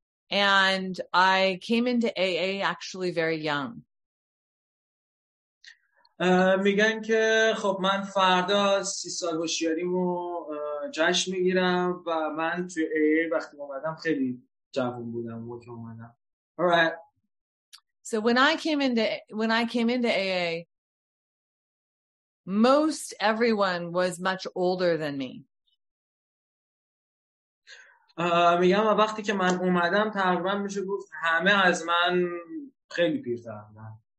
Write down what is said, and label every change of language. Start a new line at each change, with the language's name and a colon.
English: And I came into AA actually very young.
Persian: میگن که خب من فردا 30 سال هوشیاریمو جشن میگیرم و من توی AA وقتی اومدم خیلی جوون بودم وقتی اومدم.
English: All right. So when I came into AA, most everyone was much older than me.
Persian: میگم وقتی که من اومدم تقریبا میشه گفت همه از من خیلی پیرتر بودن.